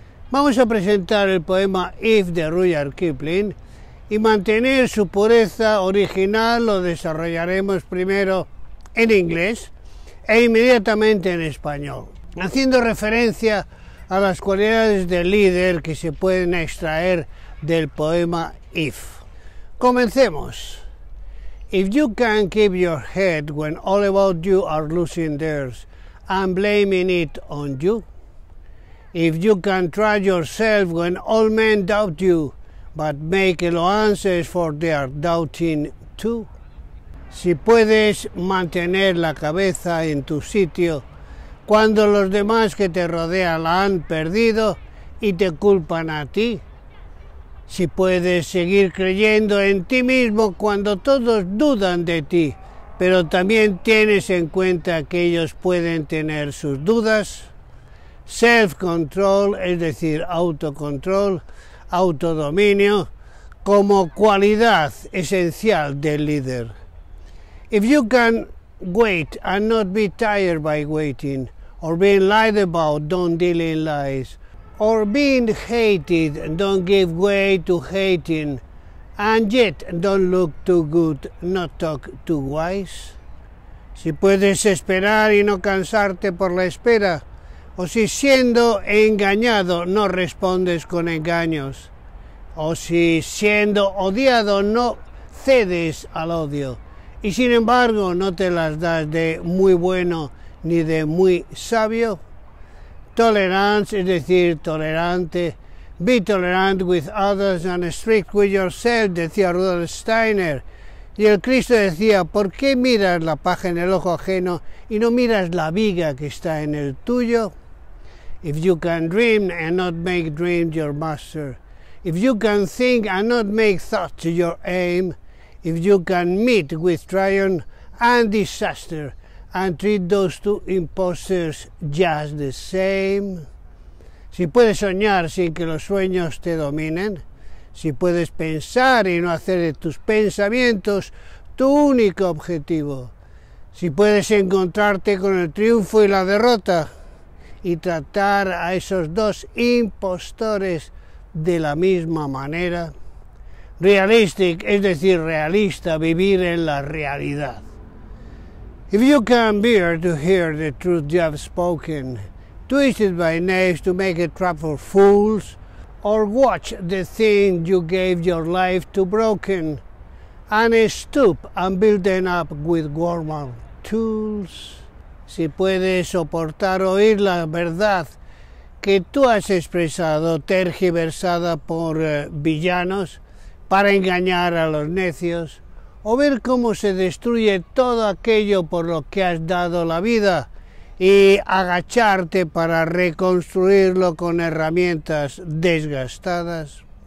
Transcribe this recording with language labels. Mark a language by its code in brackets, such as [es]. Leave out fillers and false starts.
[es] Vamos a presentar el poema If de Rudyard Kipling, y mantener su pureza original lo desarrollaremos primero en inglés e inmediatamente en español, haciendo referencia a las cualidades del líder que se pueden extraer del poema If. Comencemos. [en] If you can keep your head when all about you are losing theirs and blaming it on you. If you can trust yourself when all men doubt you but make allowances for their doubting too. [es] Si puedes mantener la cabeza en tu sitio cuando los demás que te rodean la han perdido y te culpan a ti. Si puedes seguir creyendo en ti mismo cuando todos dudan de ti, pero también tienes en cuenta que ellos pueden tener sus dudas. Self-control, es decir, autocontrol, autodominio, como cualidad esencial del líder. [en] If you can wait and not be tired by waiting, or being lied about, don't deal in lies, or being hated, don't give way to hating, and yet don't look too good, not talk too wise. [es] Si puedes esperar y no cansarte por la espera, o si siendo engañado no respondes con engaños, o si siendo odiado no cedes al odio, y sin embargo no te las das de muy bueno ni de muy sabio. [en] Tolerance, [es] es decir, tolerante. [en] Be tolerant with others and strict with yourself, [es] decía [en] Rudolf Steiner. [es] Y el Cristo decía, ¿por qué miras la paja en el ojo ajeno y no miras la viga que está en el tuyo? [en] If you can dream and not make dreams your master. If you can think and not make thoughts your aim. If you can meet with triumph and disaster and treat those two imposters just the same. [es] Si puedes soñar sin que los sueños te dominen, si puedes pensar y no hacer de tus pensamientos tu único objetivo, si puedes encontrarte con el triunfo y la derrota y tratar a esos dos impostores de la misma manera. Realistic, es decir, realista, vivir en la realidad. [en] If you come here to hear the truth you have spoken, twisted by knaves to make a trap for fools, or watch the thing you gave your life to broken, and stoop and build them up with warmer tools. [es] Si puedes soportar oír la verdad que tú has expresado, tergiversada por villanos, para engañar a los necios, o ver cómo se destruye todo aquello por lo que has dado la vida, y agacharte para reconstruirlo con herramientas desgastadas.